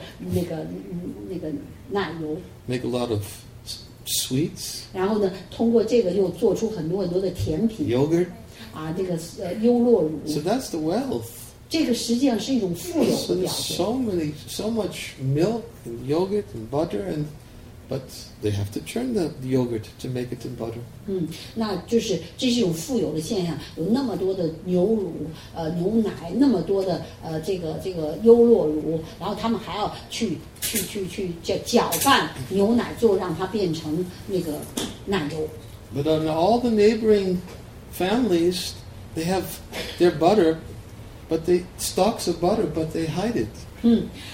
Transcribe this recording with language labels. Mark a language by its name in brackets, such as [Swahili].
[Chinese] 那就当然就做很多很多的那个奶油。 [English] Make a lot of sweets. [Chinese] 然后呢，通过这个又做出很多很多的甜品。 [English] Yogurt. [Chinese] 那个优酪乳。 [English] So that's the wealth. [Chinese] 这个实际上是一种富有的表现。 [English] So much milk and yogurt and butter and. But they have to churn the yogurt to make it in butter. [Chinese] 那就是这是一种富有的现象，有那么多的牛乳，牛奶，那么多的这个优酪乳，然后他们还要去搅拌牛奶，做让它变成那个奶油。 [English] But on all the neighboring families, they have their butter, but they stocks of butter, but they hide it.